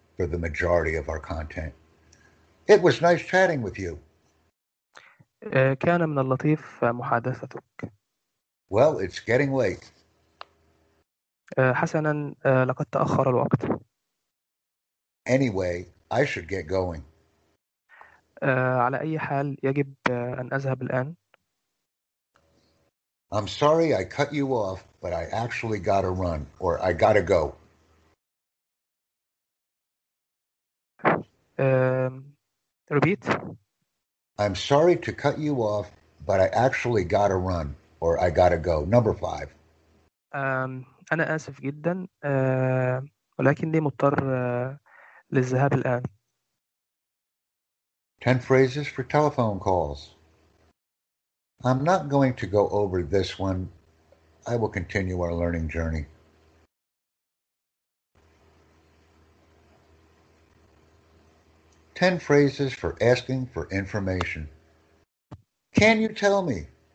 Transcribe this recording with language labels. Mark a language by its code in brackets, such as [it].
[en] for the majority of our content. It was nice chatting with you. [ar] كان من اللطيف محادثتك. [en] Well, it's getting late. [ar] حسنا لقد تأخر الوقت. [en] Anyway, I should get going. [ar] على أي حال يجب أن أذهب الآن. [en] I'm sorry I cut you off, but I actually gotta run, or I gotta go. Repeat. I'm sorry to cut you off, but I actually gotta run, or I gotta go. Number five. [ar] أنا آسف جدا ولكني مضطر للذهاب الآن. [en] 10 phrases for telephone calls. I'm not going to go over this one. I will continue our learning journey. Ten phrases for asking for information. Can you tell me?